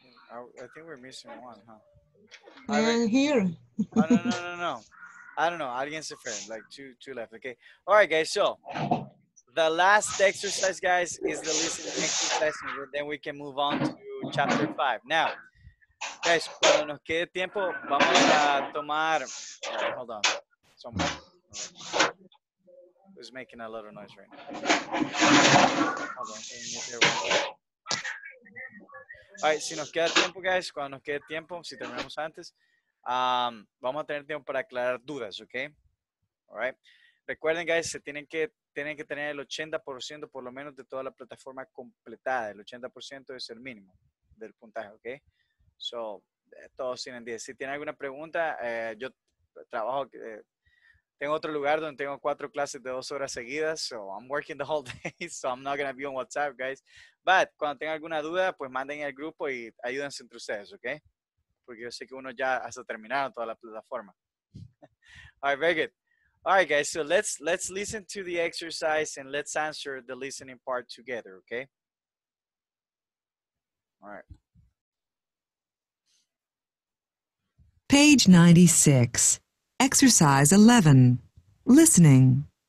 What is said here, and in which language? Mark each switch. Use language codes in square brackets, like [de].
[en] Huh? I think we're missing one, huh? I am here. Oh, no. I don't know, audience or friend, like two left, okay? All right, guys, so the last exercise, guys, is the listening exercise, and then we can move on to chapter 5. [es] Now, guys, cuando nos quede tiempo, vamos a tomar... [en] All right, hold on. Someone who's making a little noise right now. Hold on. All right, [es] si nos queda tiempo, guys, cuando nos quede tiempo, si terminamos antes... vamos a tener tiempo para aclarar dudas, ¿ok? [en] All right. [es] Recuerden, guys, se tienen que tener el 80% por lo menos de toda la plataforma completada. El 80% es el mínimo del puntaje, ¿ok? So, todos tienen 10. Si tienen alguna pregunta, yo trabajo, tengo otro lugar donde tengo 4 clases de 2 horas seguidas. [en] So, I'm working the whole day, so I'm not going to be on WhatsApp, guys. [es] But, cuando tengan alguna duda, pues manden al grupo y ayúdense entre ustedes, ¿ok? Porque yo sé que uno ya hasta terminaron toda la plataforma. [en] All right, very good. All right, guys, so let's listen to the exercise and let's answer the listening part together, okay? All right. Page 96, exercise 11, listening.